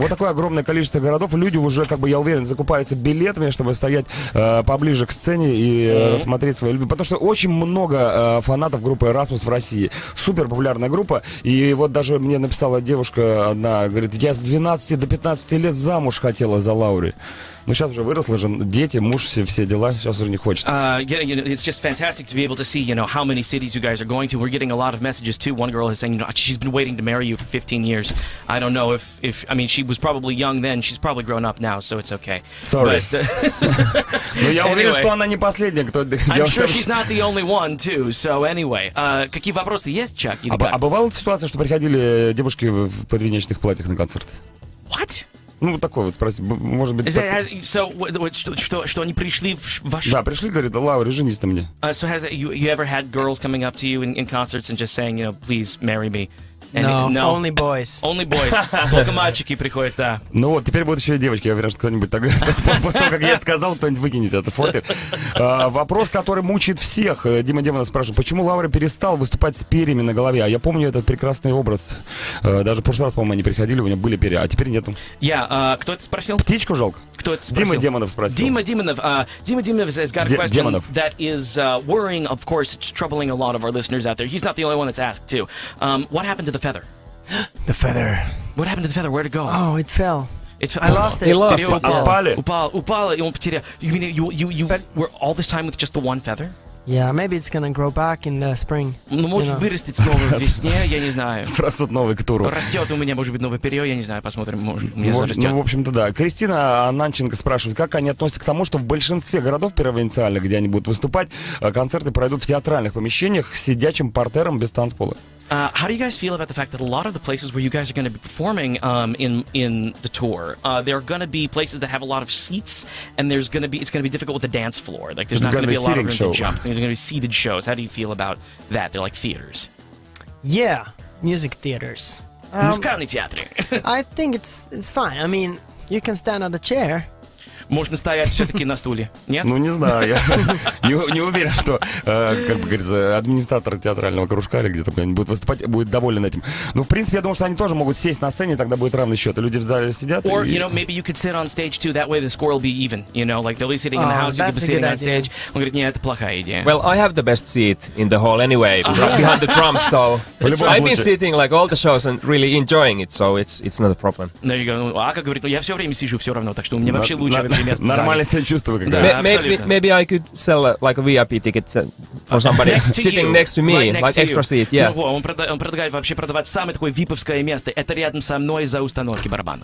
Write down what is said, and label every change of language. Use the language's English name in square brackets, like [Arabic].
[Russian] Вот такое огромное количество городов. Люди уже, как бы, я уверен, закупаются билетами, чтобы стоять поближе к сцене и рассмотреть свои любимые. Потому что очень много фанатов группы «Расмус» в России. Супер популярная группа. И вот даже мне написала девушка одна, говорит, я с 12 до 15 лет замуж хотела за Лаури. Ну, сейчас уже выросла, же дети, муж, все дела, сейчас уже не хочет. [English] You know, it's just fantastic to be able to see, you know, how many cities you guys are going to. We're getting a lot of messages, too. One girl is saying, you know, she's been waiting to marry you for 15 years. I don't know if, I mean, she was probably young then, she's probably grown up now, so it's okay. Sorry. [Russian] But, Но я уверен, что она не последняя, кто... [English] I'm sure she's not the only one, too, so anyway. [Russian] Какие вопросы есть, Чак? А бывала ситуация, что приходили девушки в подвенечных платьях на концерт? [English] What? [Russian] Ну, вот такой вот, прости, может быть... [English] That, has, so, what, [Russian] что они пришли в ваш... Да, пришли, говорит, Лаури, женись на мне. [English] So, has that, you ever had girls coming up to you in concerts and just saying, you know, please marry me? No, only boys. Only boys. [Russian] Только мальчики приходят, да. Ну вот, теперь будут еще и девочки. Я уверен, что кто-нибудь так... После того, как я это сказал, кто-нибудь выкинет это фото. Вопрос, который мучает всех. Дима Демонов спрашивает, почему Лаури перестал выступать с перьями на голове? А я помню этот прекрасный образ. Даже в прошлый раз, по-моему, они приходили, у меня были перья, а теперь нету. Я, кто это спросил? Птичку жалко. Кто это спросил? Дима Демонов спросил. [English] Дима Демонов has got a question Демонов. That is worrying, of course, it's troubling a lot of our listeners out there. He's not the only one that's asked, too. What happened to the feather. The feather. What happened to the feather? Where'd it go? Oh, it fell. I lost it. He lost it. [Russian] Упало. И он потерял. [English] You mean you but were all this time with just the one feather? Yeah, maybe it's gonna grow back in the spring. [Russian] Ну, может, вырастет снова в весне, я не знаю. Растут новые ктуру. Растет у меня, может быть, новое перье, я не знаю, посмотрим, может, мне зарастет. Ну, в общем-то, да. Кристина Нанченко спрашивает, как они относятся к тому, что в большинстве городов провинциальных, где они будут выступать, концерты пройдут в театральных помещениях с сидячим партером без танцпола. [English] How do you guys feel about the fact that a lot of the places where you guys are going to be performing in the tour, there are going to be places that have a lot of seats, and there's going to be it's going to be difficult with the dance floor. Like there's not going to be a lot of room show. To jump. There's going to be seated shows. How do you feel about that? They're like theaters. Yeah, music theaters. Musical theater. I think it's fine. I mean, you can stand on the chair. [Russian] Можно стоять все-таки на стуле, нет? Ну, не знаю, я не уверен, что, как бы говорится, администратор театрального кружка или где-то будет выступать, будет доволен этим. Ну, в принципе, я думаю, что они тоже могут сесть на сцене, тогда будет равный счет, люди в зале сидят. [English] Or, you know, maybe you could sit on stage too, that way the score will be even, you know, like they'll be sitting in the house, you could be sitting on stage. [Russian] Он говорит, нет, это плохая идея. [English] Well, I have the best seat in the hall anyway, behind the drums, so I've been sitting like all the shows and really enjoying it, so it's not a problem. There you go. [Russian] Ну, Ака говорит, ну, я все время сижу все равно, так что у меня вообще лучше. Нормально себя чувствую, как [English] говорится. Maybe I could sell like a VIP ticket for somebody sitting next to me, like extra seat, yeah. [Russian] Он предлагает вообще продавать самое такое виповское место. Это рядом со мной за установки барабана.